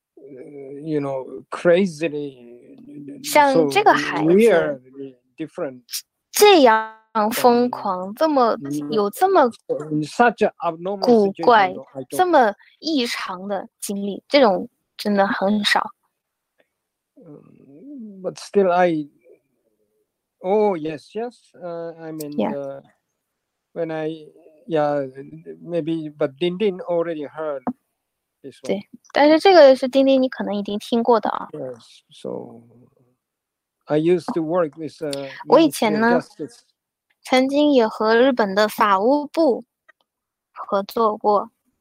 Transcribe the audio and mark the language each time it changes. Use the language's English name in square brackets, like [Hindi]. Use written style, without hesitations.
[English] you know, crazily, [Chinese] 像这个孩子 [English] weird, different, [Chinese] 这样疯狂，这么有这么古怪，这么异常的经历，这种真的很少。 [English] But still, I, oh yes, yes, I mean, when I, yeah, maybe, but Din Din already heard. [Chinese] 对，但是这个是丁丁，你可能已经听过的啊。 [English] Yes, so I used to work with. [Chinese] 我以前呢，曾经也和日本的法务部合作过。